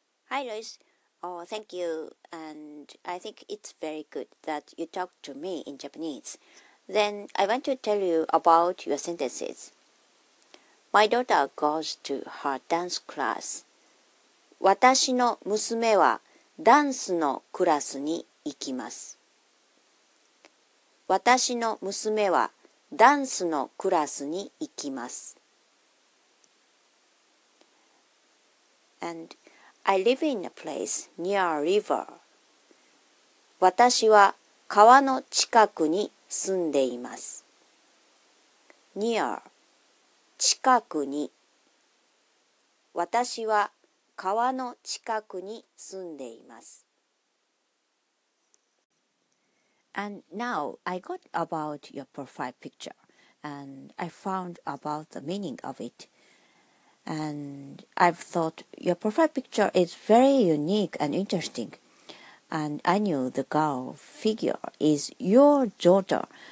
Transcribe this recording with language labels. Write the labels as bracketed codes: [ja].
[en] Hi, Luis. Oh, thank you. And I think it's very good that you talk to me in Japanese. Then I want to tell you about your sentences. My daughter goes to her dance class. [ja] 私の娘はダンスのクラスに行きます。私の娘はダンスのクラスに行きます。 [en] And I live in a place near a river. [ja] 私は川の近くに住んでいます。 [en] Near 近くに [ja] 私は川の近くに住んでいます。 [en] And now I got about your profile picture and I found about the meaning of it. And I've thought your profile picture is very unique and interesting. And I knew the girl figure is your daughter.